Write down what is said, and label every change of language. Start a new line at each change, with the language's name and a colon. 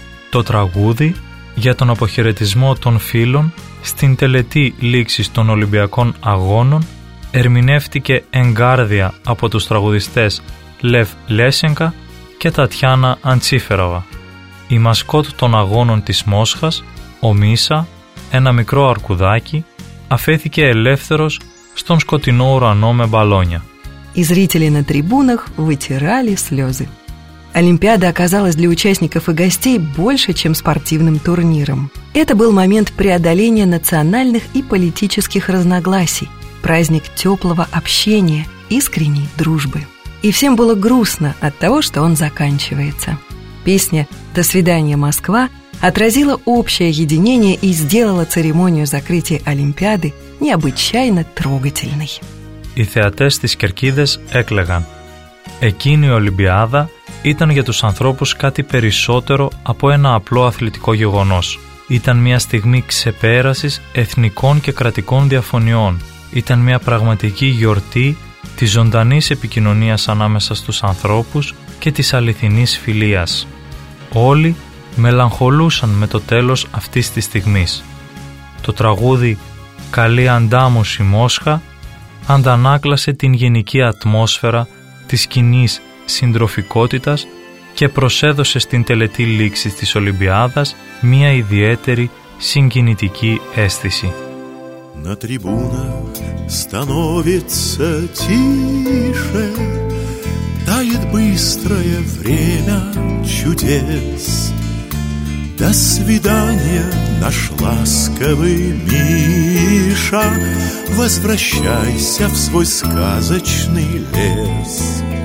Greek: Το τραγούδι για τον αποχαιρετισμό των φίλων στην τελετή λήξης των Ολυμπιακών Αγώνων ερμηνεύτηκε εγκάρδια από τους τραγουδιστές Λεφ Λέσενκα και Τατιάνα Αντσίφεραβα. Η μασκότ των αγώνων της Μόσχας, ο Μίσα, ένα μικρό αρκουδάκι, αφέθηκε ελεύθερος στον σκοτεινό ουρανό με μπαλόνια. Οι
Russian: зрители на трибунах вытирали слезы. Олимпиада оказалась для участников и гостей больше, чем спортивным турниром. Это был момент преодоления национальных и политических разногласий, праздник теплого общения, искренней дружбы. И всем было грустно от того, что он заканчивается. Песня «До свидания, Москва» отразила общее единение и сделала церемонию закрытия Олимпиады необычайно трогательной.
Greek: Οι θεατές της Κερκίδες έκλαιγαν. Εκείνη η Ολυμπιάδα ήταν για τους ανθρώπους κάτι περισσότερο από ένα απλό αθλητικό γεγονός. Ήταν μια στιγμή ξεπέρασης εθνικών και κρατικών διαφωνιών. Ήταν μια πραγματική γιορτή της ζωντανής επικοινωνίας ανάμεσα στους ανθρώπους και της αληθινής φιλίας. Όλοι μελαγχολούσαν με το τέλος αυτής της στιγμής. Το τραγούδι «Καλή αντάμωση Μόσχα» αντανάκλασε την γενική ατμόσφαιρα της κοινής συντροφικότητας και προσέδωσε στην τελετή λήξης της Ολυμπιάδας μία ιδιαίτερη συγκινητική αίσθηση.
Russian: На трибунах становится тише, тает быстрое время чудес. До свидания, наш ласковый Миша, возвращайся в свой сказочный лес.